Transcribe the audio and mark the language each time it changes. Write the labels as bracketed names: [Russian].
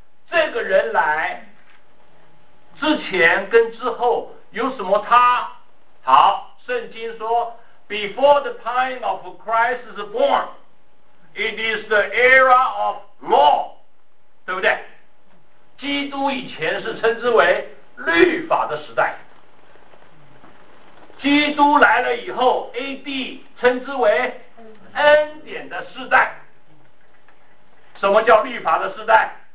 [Chinese] 这个人来之前跟之后有什么差？好，圣经说 [English] Before the time of Christ is born， it is the era of law， [Chinese] 对不对？基督以前是称之为律法的时代，基督来了以后 AD 称之为恩典的时代。什么叫律法的时代？